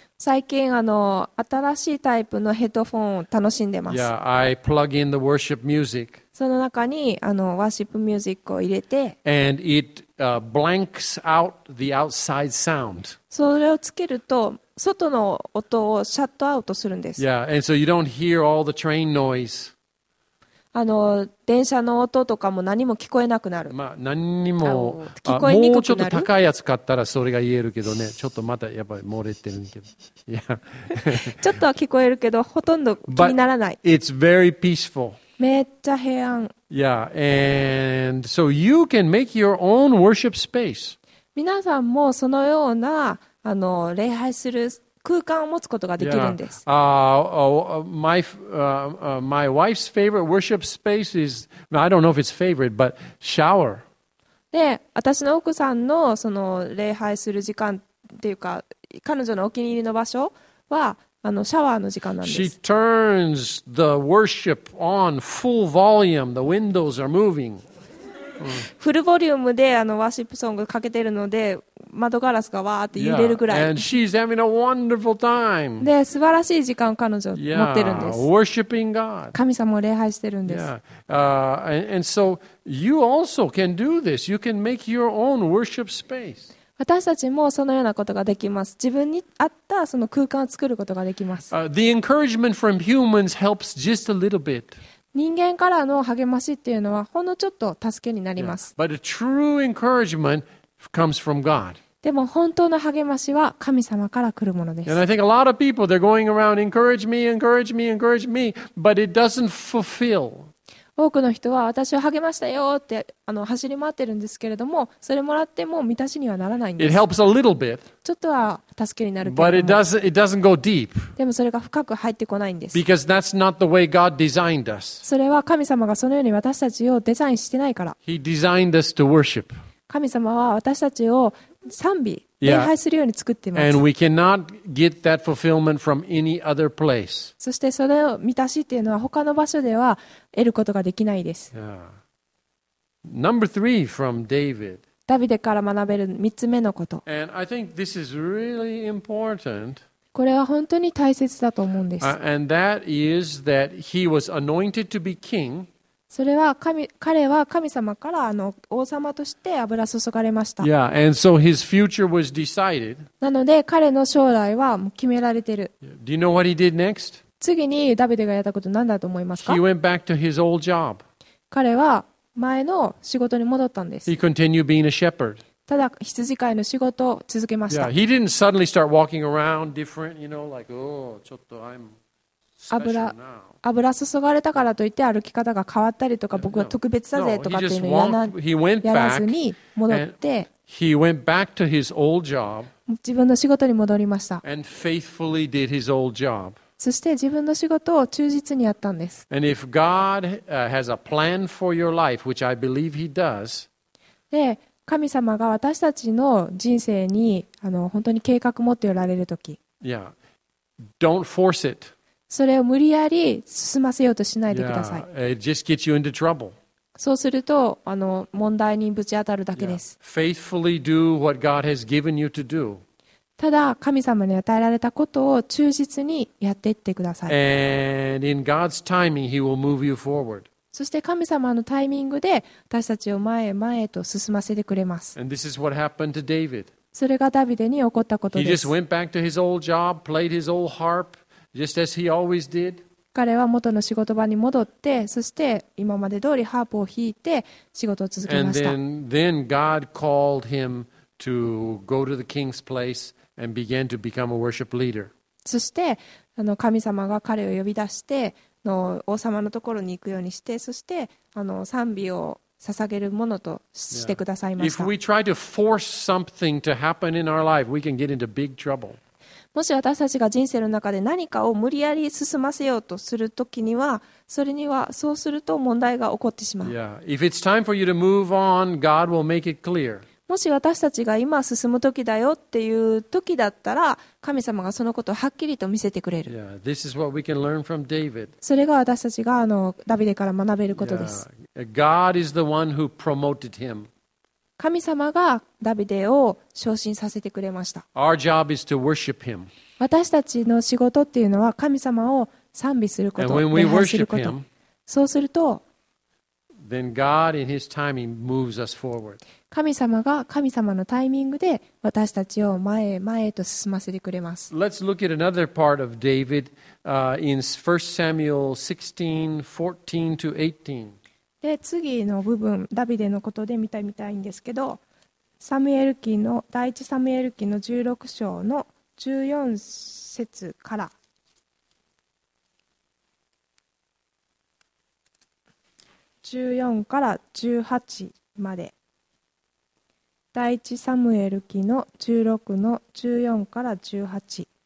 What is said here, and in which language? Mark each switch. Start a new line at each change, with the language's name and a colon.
Japanese: 最近新しいタイプのヘッドフォンを楽しんでます。
English: Yeah, I plug in the worship music.
Japanese: その中にワーシップミュージックを入れて、
English: And it, blanks out the outside sound.
Japanese: それをつけると外の音をシャットアウトするんです。
English: Yeah, and so you don't hear all the train noise.
Japanese: 電車の音とかも何も聞こえなくなる。まあ何にも聞こえにくくなる。もうちょっと高いやつ買ったらそれが言えるけどね。ちょっとまたやっぱり漏れてるけど。ちょっとは聞こえるけどほとんど気にならない。
English: But、it's very peaceful.
Japanese: めっちゃ平安。
English: Yeah, and so you can make your own worship space.
Japanese: 皆さんもそのような礼拝する空間を持つことができるんです。
English: Yeah. My wife's favorite worship space is, I don't know if it's favorite, but shower.
Japanese: で、私の奥さんのその礼拝する時間っていうか、彼女のお気に入りの場所はシャワーの時間なんです。
English: She turns the worship on full volume. The windows are moving.
Japanese: フルボリュームでワーシップソングかけてるので。窓ガラスがわーって揺れるぐらい。
English: Yeah, and she's having a wonderful time.
Japanese: で、素晴らしい時間を彼女持ってるんです。
English: Yeah, worshiping God.
Japanese: 神様を礼拝してるんです。
English: Yeah. And so you also can do this. You can make your own worship space.
Japanese: 私たちもそのようなことができます。自分に合ったその空間を作ることができます。
English: The encouragement from humans helps just a little bit.
Japanese: 人間からの励ましっていうのはほんのちょっと助けになります。
English: Yeah. But a true encouragement. Comes from God.
Japanese: でも本当の励ましは神様から来るものです。
English: And I think a lot of people, they're going around, encourage me, encourage me, encourage me, but it doesn't fulfill.
Japanese: 多くの人は私を励ましたよって走り回ってるんですけれども、それもらっても満たしにはならないんです。
English: It helps a little bit,
Japanese: ちょっとは助けになるけ
English: ど but it doesn't go deep,
Japanese: でもそれが深く入ってこないんです。
English: because that's not the way God designed us.
Japanese: それは神様がそのように私たちをデザインしてないから。
English: He designed us to worship.
Japanese: 神様は私たちを賛美、礼拝するように作っています。
English: And we cannot get that fulfillment from any other place.
Japanese: そしてそれを満たしっていうのは他の場所では得ることができないです。
English: Number three from David.
Japanese: ダビデから学べる3つ目のこと。
English: And I think this is really important.
Japanese: これは本当に大切だと思うんです。
English: And that is that he was anointed to be king.
Japanese: それは彼は神様から王様として油注がれました。
English: Yeah, and so his future was decided.
Japanese: なので彼の将来はもう決められている。
English: Do you know what he did next?
Japanese: 次にダビデがやったこと何だと思いますか?
English: He went back to his old job.
Japanese: 彼は前の仕事に戻ったんです。
English: He continued being a shepherd.
Japanese: ただ羊飼いの仕事を続けました。
English: Yeah, he didn't suddenly start walking around different, you know, like, oh,
Japanese: ちょっと
English: I'm special now.
Japanese: 油注がれたからといって歩き方が変わったりとか僕は特別だぜとかっていうのをやらずに戻って
English: he went back to his old job,
Japanese: 自分の仕事に戻りました。
English: and faithfully did his old job.
Japanese: そして自分の仕事を忠実にやったんです。
English: and if God has a plan for your life, which I believe he does,
Japanese: で神様が私たちの人生に本当に計画持っておられるとき、
English: yeah, don't force it
Japanese: それを無理やり進ませようとしないでください。
English: Yeah, it just gets you into trouble.
Japanese: そうすると問題にぶち当たるだけです。
English: Yeah. Faithfully do what God has given you to do.
Japanese: ただ神様に与えられたことを忠実にやっていってください。
English: And in God's timing, He will move you forward.
Japanese: そして神様のタイミングで私たちを前へ前へと進ませてくれます。
English: And this is what happened to David.
Japanese: それがダビデに起こったことです。
English: He just went back to his old job, played his old harp. Just as he always did.
Japanese: 彼は元の仕事場に戻って、そして今まで通りハープを弾いて仕事を続けました。
English: And then God called him to go to the king's place and began to become a worship leader.
Japanese: そして神様が彼を呼び出して王様のところに行くようにして、そして賛美を捧げるものとしてくださいました。
English: Yeah. If we try to force something to happen in our life, we can get into big trouble.
Japanese: もし私たちが人生の中で何かを無理やり進ませようとするときには、それにはそうすると問題が起こってしまう。
English: Yeah. If it's time for you to move on, God will make it clear.
Japanese: もし私たちが今進むときだよっていうときだったら、神様がそのことをはっきりと見せてくれる。
English: Yeah. This is what we can learn from David.
Japanese: それが私たちがダビデから学べることです。
English: Yeah. God is the one who promoted him.
Japanese: 神様がダビデを昇進させてくれました。
English: Our job is to worship him.
Japanese: 私たちの仕事っていうのは神様を賛美すること、
English: And when we worship him,
Japanese: そうすると、
English: then God in his timing moves us forward.
Japanese: 神様が神様のタイミングで私たちを前へ前へと進ませてくれます。
English: Let's look at another part of David, in 1 Samuel 16, 14 to 18.
Japanese: で次の部分ダビデのことで見てみたいんですけど、サムエル記の第一サムエル記の16章の14節から14から18まで、第一サムエル記の16の14から18、